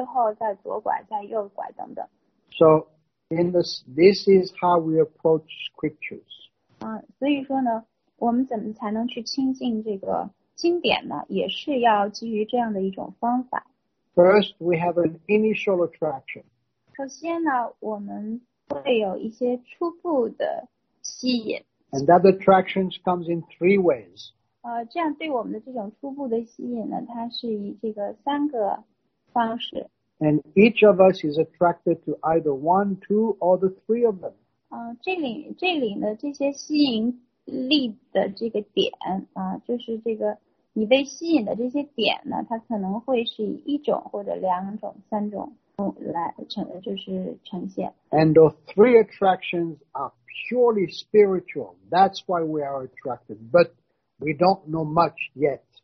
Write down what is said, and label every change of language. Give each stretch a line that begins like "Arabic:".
Chinese: 那可能你问一下这个问询台的话呢，他们就会告诉你，哦，你要找这家店呢，那你要到二楼，到二楼之后再左拐，再右拐等等。
English: So, in this is how we approach scriptures.
Chinese: 所以说呢，我们怎么才能去亲近这个经典呢？也是要基于这样的一种方法。
English: First, we have an initial attraction.
Chinese: 首先呢，我们会有一些初步的吸引。
English: And that attraction comes in three ways.
Chinese: 这样对我们的这种初步的吸引呢，它是以这个三个方式。
English: And each of us is attracted to either one, two, or the three of them.
Chinese: 这里呢，这些吸引力的这个点，就是这个。你被吸引的这些点呢，它可能会是一种或者两种、三种来呈，就是呈现。And
English: the three attractions are purely spiritual. That's why we are attracted, but we don't know much yet.